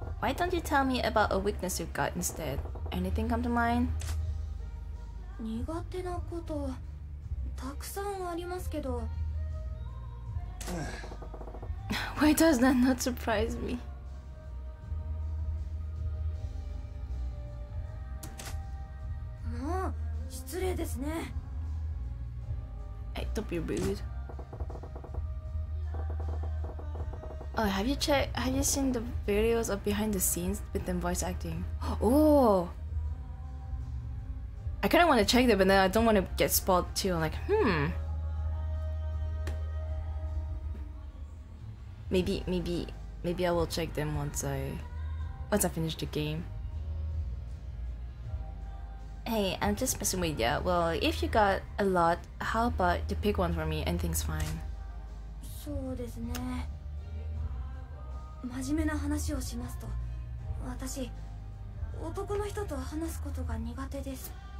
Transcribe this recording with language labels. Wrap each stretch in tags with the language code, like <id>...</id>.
<en>Why don't you tell me about a weakness you've got instead? Anything come to mind?</en> <ja>苦手なことたくさんありますけど。</ja> <en>Why does that not surprise me?</en> <ja>もう失礼ですね。</ja> <en>Hey, don't be rude. Oh, have you seen the videos of behind the scenes with them voice acting? Oh! I kind of want to check them, but then I don't want to get spoiled too. I'm like, hmm. Maybe I will check them once I finish the game. Hey, I'm just messing with you. Well, if you got a lot, how about you pick one for me? Anything's fine.</en> <ja>そうですね。真面目な話をしますと、私、男の人と話すことが苦手です。</ja>